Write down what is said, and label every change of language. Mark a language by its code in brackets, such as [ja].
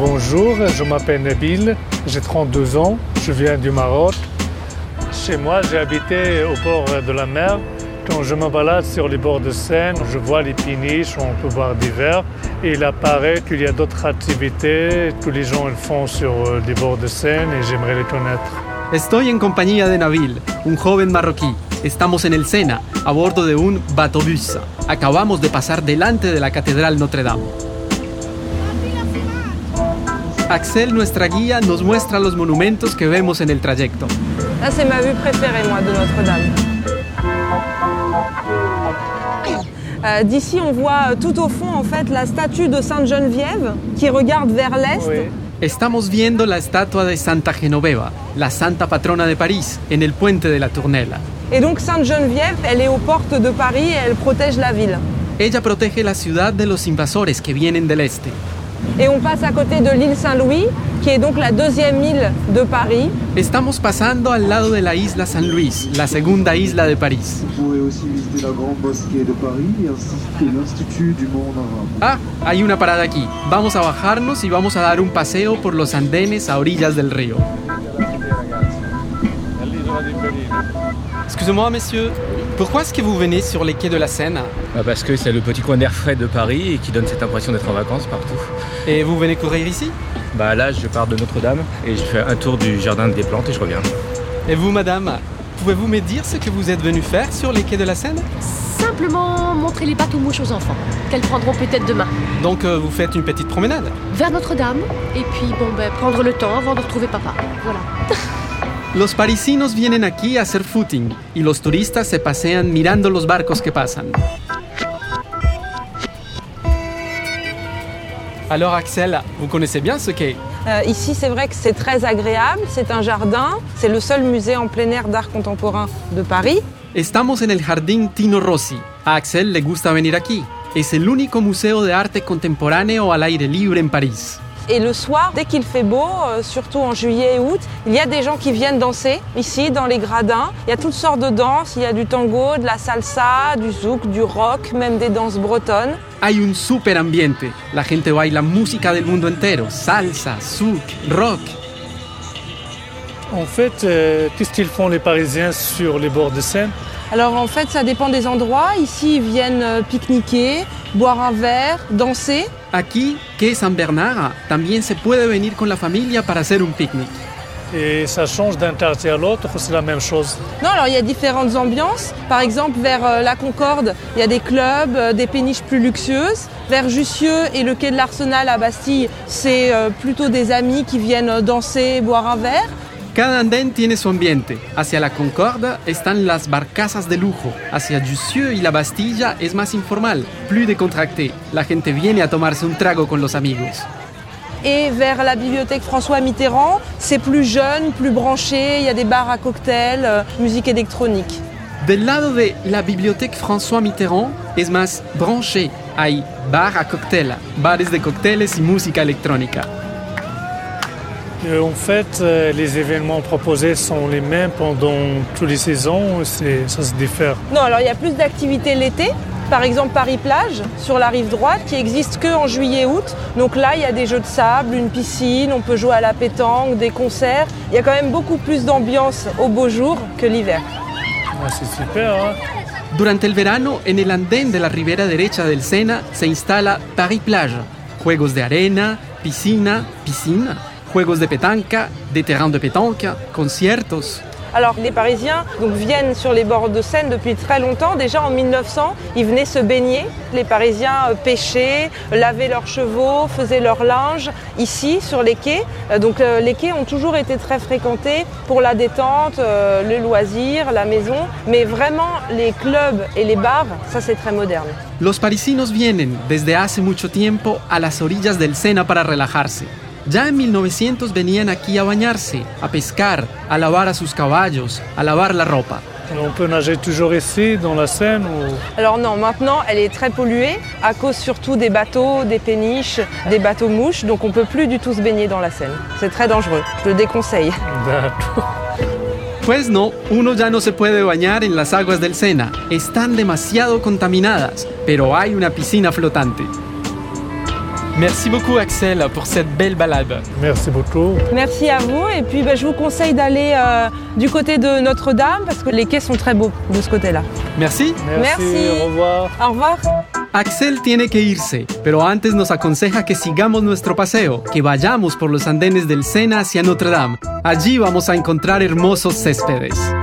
[fr] Bonjour, je m'appelle Nabil, j'ai 32 ans, je viens du Maroc. Chez moi, j'ai habité au bord de la mer. Quand je me balade sur les bords de Seine, je vois les péniches, on peut boire des verres. Et il apparaît qu'il y a d'autres activités que les gens font sur les bords de Seine et j'aimerais les connaître. [es] Estoy en compañía de Nabil, un joven marroquí. Estamos en el Sena, a bordo de un batobús. Acabamos de pasar delante de la Catedral Notre Dame. Axel, nuestra guía, nos muestra los monumentos que vemos en el trayecto. [fr] Là, c'est ma vue préférée, moi, de Notre-Dame. D'ici, on voit tout au fond, en fait, la statue de Sainte Geneviève qui regarde vers l'est. Oui. [es] Estamos viendo la estatua de Santa Genoveva, la santa patrona de París, en el puente de la Tournelle. [fr] Et donc, Sainte Geneviève, elle est aux portes de Paris et elle protège la ville. [es] Ella protege la ciudad de los invasores que vienen del este. [fr] Et on passe à côté de l'île Saint-Louis, qui est donc la deuxième île de Paris. [es] Estamos pasando al lado de la isla San Luis, la segunda isla de París. [fr] Vous pouvez aussi visiter la grande mosquée de Paris ainsi que l'Institut du Monde Arabe. [es] Ah, hay una parada aquí. Vamos a bajarnos y vamos a dar un paseo por los andenes a orillas del río. [fr] Excusez-moi, messieurs, pourquoi est-ce que vous venez sur les quais de la Seine ? Bah parce que c'est le petit coin d'air frais de Paris et qui donne cette impression d'être en vacances partout. Et vous venez courir ici ? Bah là, je pars de Notre-Dame et je fais un tour du jardin des plantes et je reviens. Et vous, madame, pouvez-vous me dire ce que vous êtes venue faire sur les quais de la Seine ? Simplement montrer les pâtes aux mouches aux enfants, qu'elles prendront peut-être demain. Donc vous faites une petite promenade ? Vers Notre-Dame et puis bon, bah, prendre le temps avant de retrouver papa. Voilà. [es] Los parisinos vienen aquí a hacer footing y los turistas se pasean mirando los barcos que pasan. [fr] Alors Axel, vous connaissez bien ce quai? Ici, c'est vrai que c'est très agréable, c'est un jardin, c'est le seul musée en plein air d'art contemporain de Paris. [es] Estamos en el jardín Tino Rossi. A Axel le gusta venir aquí. Es el único museo de arte contemporáneo al aire libre en París. [fr] Et le soir, dès qu'il fait beau, surtout en juillet et août, il y a des gens qui viennent danser ici, dans les gradins. Il y a toutes sortes de danses, il y a du tango, de la salsa, du zouk, du rock, même des danses bretonnes. [es] Hay un super ambiente. La gente baila música del mundo entero. Salsa, zouk, rock. [fr] En fait, qu'est-ce qu'ils font les Parisiens sur les bords de Seine ? Alors en fait, ça dépend des endroits. Ici, ils viennent pique-niquer, boire un verre, danser. [es] Aquí, Quai San Bernard, también se puede venir con la familia para hacer un picnic. [fr] Et ça change d'un quartier à l'autre, c'est la même chose? Non, alors il y a différentes ambiances. Par exemple, vers la Concorde, il y a des clubs, des péniches plus luxueuses. Vers Jussieu et le quai de l'Arsenal à Bastille, c'est plutôt des amis qui viennent danser, boire un verre. [es] Cada andén tiene su ambiente. Hacia la Concorde están las barcazas de lujo. Hacia Jussieu y la Bastilla es más informal, [fr] plus décontracté. [es] La gente viene a tomarse un trago con los amigos. [fr] Et vers la bibliothèque François Mitterrand, c'est plus jeune, plus branché, il y a des bars à cocktails, musique électronique. [es] Del lado de la bibliothèque François Mitterrand es más branché. Hay bar a cocktail, bares de cócteles y música electrónica. [fr] En fait, les événements proposés sont les mêmes pendant toutes les saisons, ça se diffère. Non, alors il y a plus d'activités l'été, par exemple Paris-Plage, sur la rive droite, qui n'existe qu'en juillet-août. Donc là, il y a des jeux de sable, une piscine, on peut jouer à la pétanque, des concerts. Il y a quand même beaucoup plus d'ambiance au beau jour que l'hiver. Ah, c'est super, hein. [es] Durante el verano, en el andén de la ribera derecha del Sena, se instala Paris-Plage. Juegos de arena, piscina... Juegos de pétanque, [fr] des terrains de pétanque, [es] conciertos. [fr] Alors, les Parisiens donc, viennent sur les bords de Seine depuis très longtemps. Déjà en 1900, ils venaient se baigner. Les Parisiens pêchaient, lavaient leurs chevaux, faisaient leur linge ici, sur les quais. Les quais ont toujours été très fréquentés pour la détente, le loisir, la maison. Mais vraiment, les clubs et les bars, ça c'est très moderne. [es] Los parisinos vienen desde hace mucho tiempo a las orillas del Sena para relajarse. Ya en 1900 venían aquí a bañarse, a pescar, a lavar a sus caballos, a lavar la ropa. [fr] On peut nager toujours ici, dans la Seine ou... Alors non, maintenant elle est très polluée, à cause surtout des bateaux, des péniches, des bateaux mouches, donc on ne peut plus du tout se baigner dans la Seine. C'est très dangereux, je le déconseille. D'accord. [es] Pues no, uno ya no se puede bañar en las aguas del Sena. Están demasiado contaminadas, pero hay una piscina flotante. [fr] Merci beaucoup, Axel, pour cette belle balade. Merci beaucoup. Merci à vous. Et puis, je vous conseille d'aller du côté de Notre-Dame, parce que les quais sont très beaux de ce côté-là. Merci. Merci. Merci. Au revoir. Au revoir. [es] Axel tiene que irse, pero antes nos aconseja que sigamos nuestro paseo, que vayamos por los andenes del Sena hacia Notre-Dame. Allí vamos a encontrar hermosos céspedes.